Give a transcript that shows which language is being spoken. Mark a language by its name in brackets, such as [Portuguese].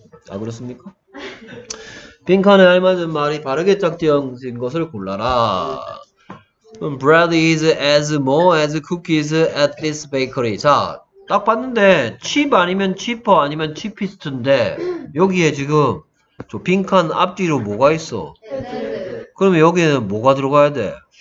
[Korean] 아 그렇습니까? 빈칸에 알맞은 말이 바르게 짝지어진 것을 골라라. [English] Bread is as more as cookies at this bakery. [Korean] 자, 딱 봤는데 칩 아니면 치퍼 아니면 치피스트인데 여기에 지금 저 빈칸 앞뒤로 뭐가 있어? 그러면 여기에는 뭐가 들어가야 돼?